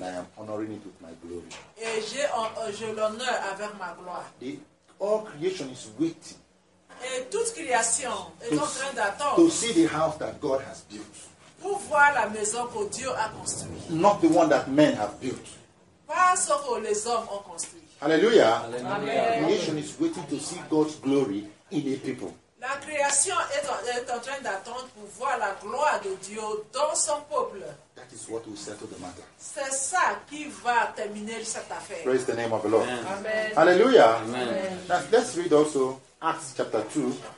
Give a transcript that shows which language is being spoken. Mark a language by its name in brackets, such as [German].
[English] And I am honoring it with my glory. [French] Et je l'honore avec ma gloire. [English] The all creation is waiting. [French] Et toute création est en train d'attendre. [English] To see the house that God has built. [French] Pour voir la maison que Dieu a construite. [English] Not the one that men have built. [French] Pas ce que les hommes ont construit. [English] Hallelujah. Hallelujah. The nation is waiting to see God's glory in a people. [French] La création est en train d'attendre pour voir la gloire de Dieu dans son peuple. [English] That is what will settle the matter. [French] C'est ça qui va terminer cette affaire. [English] Praise the name of the Lord. Amen. Amen. Hallelujah. Amen. Now, let's read also Acts chapter 2.